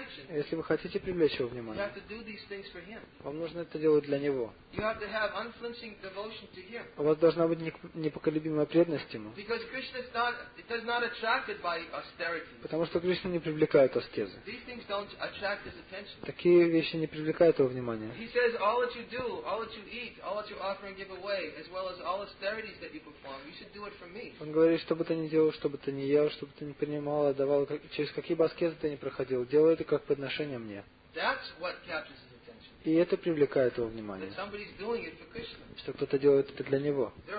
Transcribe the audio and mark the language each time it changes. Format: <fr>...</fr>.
<ru>Если вы хотите привлечь его внимание, вам нужно это делать для него.</ru> <en>You have to have unflinching devotion to him.</en> <ru>У вас должна быть непоколебимая преданность ему.</ru> <en>Because Krishna is not attracted by austerity.</en> <ru>Потому что Кришна не привлекает аскезы.</ru> <en>These things don't attract his attention.</en> <ru>Такие вещи не привлекают его внимания.</ru> <en>He says all that you do, all that you eat, all that you offer and give away, as well as all austerities that you perform, you should do it for me.</en> <ru>Он говорит, что бы ты ни делал, что бы ты ни ел, что бы ты ни принимал, отдавал, через какие аскезы ты ни проходил, делай это как подношение мне.</ru> <en>That's what captures his attention.</en> <ru>И это привлекает его внимание. Что кто-то делает это для него.</ru>